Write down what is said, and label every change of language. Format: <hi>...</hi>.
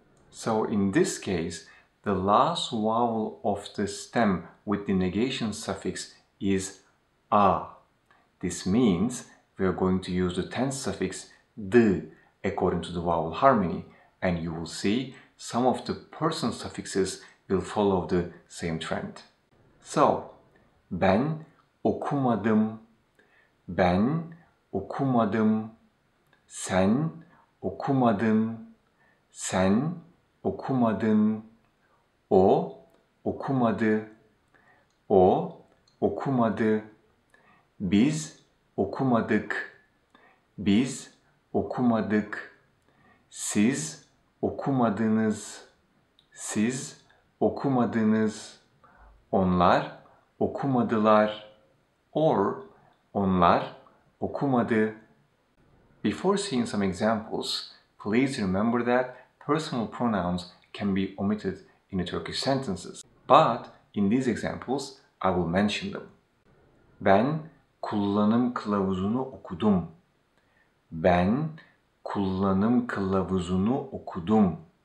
<en>So in this case, the last vowel of the stem with the negation suffix is a. This means we are going to use the tense suffix d according to the vowel harmony, and you will see some of the person suffixes will follow the same trend.</en> <tr>So, ben okumadım, ben okumadım, sen okumadın, sen okumadın, o okumadı, o okumadı, biz okumadık, biz okumadık, siz okumadınız, siz okumadınız, onlar okumadılar, or onlar okumadı.</tr> <en>Before seeing some examples, please remember that personal pronouns can be omitted in the Turkish sentences. But in these examples, I will mention them.</en> <tr>Ben kullanım kılavuzunu okudum. Ben kullanım kılavuzunu okudum.</tr>